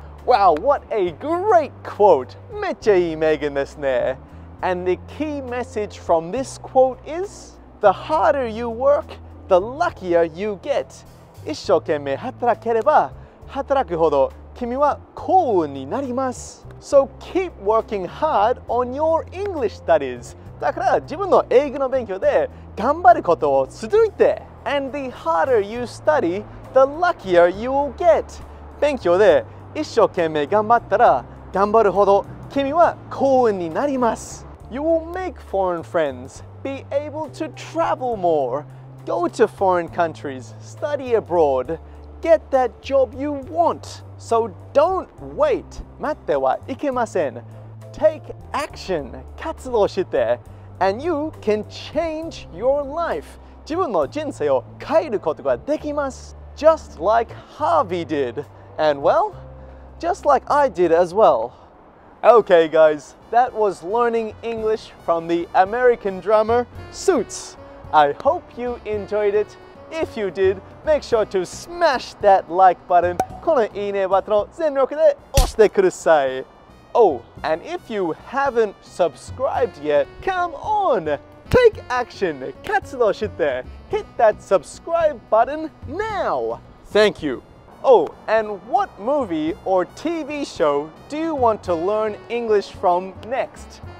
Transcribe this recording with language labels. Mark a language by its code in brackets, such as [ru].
[en] Wow, what a great quote. [ja] めっちゃいい名言ですね。 [en] And the key message from this quote is,The harder you work, the luckier you get. [ja] 一生懸命働ければ働くほど君は幸運になります。 [en] So keep working hard on your English studies. [ja] だから自分の英語の勉強で頑張ることを続いて。 [en] And the harder you study, the luckier you will get. [ja] 勉強で一生懸命頑張ったら頑張るほど君は幸運になります。 [en] You will make foreign friends. Be able to travel more, go to foreign countries, study abroad, get that job you want. So don't wait. [ja] 待ってはいけません。 [en] Take action. [ja] 活動して。 [en] And you can change your life. [ja] 自分の人生を変えることができます。 [en] Just like Harvey did. And well, just like I did as well. Okay guys, that was learning English from the American drama Suits. I hope you enjoyed it. If you did, make sure to smash that like button. [ja] このいいねボタンを全力で押してください。 [en] Oh, and if you haven't subscribed yet, come on! Take action! [ja] 活動して! [en] Hit that subscribe button now! Thank you! Oh, and what movie or TV show do you want to learn English from next?